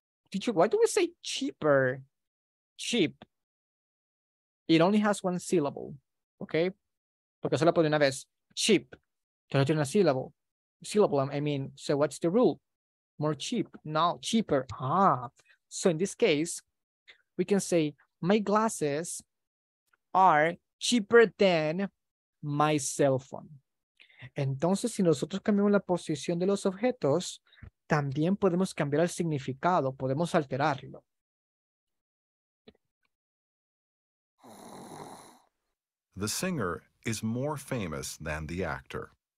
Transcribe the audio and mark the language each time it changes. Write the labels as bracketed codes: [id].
[en] Teacher, why do we say cheaper? Cheap. It only has one syllable. Okay. [es] Porque solo por una vez. [en] Cheap. [es] Solo tiene una [en] syllable. So what's the rule? More cheap. No, cheaper. So in this case, we can say my glasses are cheaper than my cell phone. [es] Entonces, si nosotros cambiamos la posición de los objetos, también podemos cambiar el significado, podemos alterarlo. [en] The singer is more famous than the actor.